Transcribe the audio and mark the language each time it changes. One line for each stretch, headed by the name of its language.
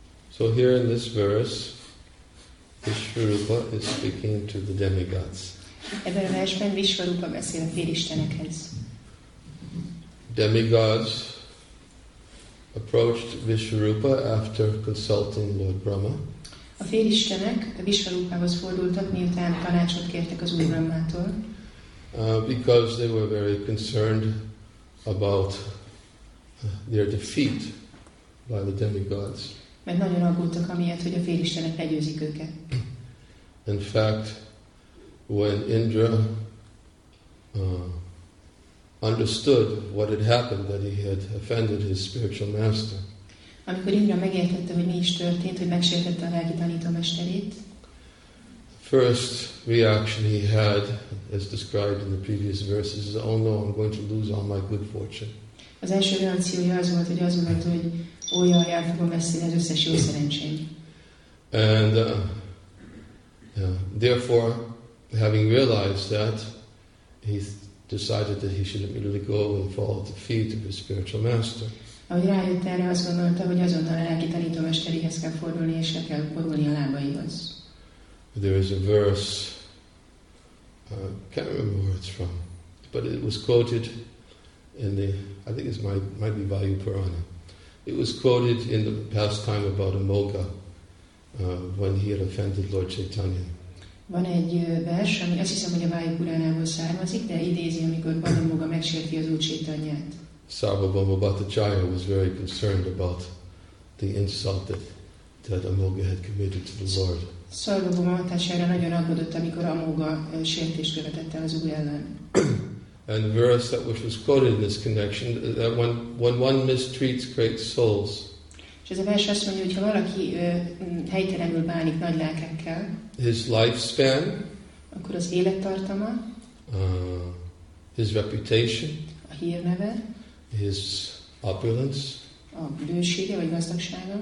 English: So here in this verse, Vishvarupa is speaking to the demigods.
Hungarian: Ebben a versben Vishvarupa beszél a félistenekhez.
English: Demigods approached Vishvarupa after consulting Lord Brahma.
Hungarian: A félistenek a Vishvarupához fordultak, miután tanácsot kértek az Úr Brahmától.
English: Because they were very concerned about their defeat by the demigods.
Hungarian: Mert nagyon aggódtak amiatt, hogy a félistenek legyőzik őket.
English: In fact, when Indra understood what had happened, that he had offended his spiritual master.
Hungarian: Amikor Indra megértette, hogy mi is történt, hogy megsértette a lelki tanító mesterét.
English: First reaction he had, as described in the previous verses, is, "Oh no, I'm going to lose all my good fortune."
Hungarian: Az első reakciója az volt, hogy azt mondta, hogy olyan jól fogom veszni az összes jó szerencsém.
English: And therefore, having realized that, he decided that he should immediately go and fall at the feet of his spiritual master.
Hungarian: Ahogy rájött erre, azt gondolta, hogy azonnal a lelki tanítómesteréhez kell fordulni, és le kell borulni a lábaihoz.
English: There is a verse, can't remember where it's from, but it was quoted in the, I think it might be Vayu Purana. It was quoted in the past time about Amoga, when he had offended Lord Chaitanya.
Hungarian: Van egy vers, ami azt hiszem, hogy a Vájú Puránából származik, de idézi, amikor Balamoga megsérti az Úr Chaitanyát.
English: Sarvabhauma Bhattacharya was very concerned about the insult that Amoga had committed to the Lord.
Hungarian: Sarvabhauma Bhattacharya nagyon aggódott, amikor Amoga sértést követett el az Úr ellen.
English: And the verse that which was quoted in this connection, that when one mistreats great souls.
Hungarian: És ez a vers azt mondja, hogy ha valaki helytelenül bánik nagy lelkekkel,
English: his lifespan,
Hungarian: akkor az élettartama,
English: his reputation,
Hungarian: a hírneve,
English: his opulence,
Hungarian: a bősége vagy gazdagsága,